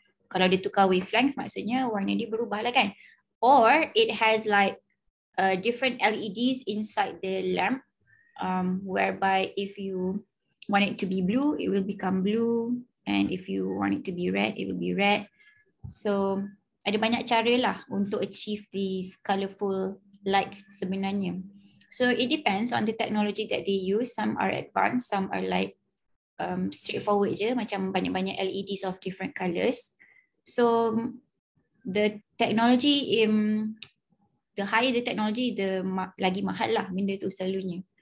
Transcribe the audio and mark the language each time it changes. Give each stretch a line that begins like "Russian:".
Malay: Kalau dia tukar wavelength, maksudnya warna dia berubah lah kan?
English: Or it has like different LEDs inside the lamp, whereby if you want it to be blue, it will become blue. And if you want it to be red, it will be red.
Malay: So ada banyak cara lah untuk
English: achieve these colorful lights
Malay: sebenarnya.
English: So it depends on the technology that they use. Some are advanced, some are like straightforward je,
Malay: macam banyak-banyak
English: LEDs of different colors. So the technology, the higher the technology, the
Malay: lagi mahal lah benda tu selalunya.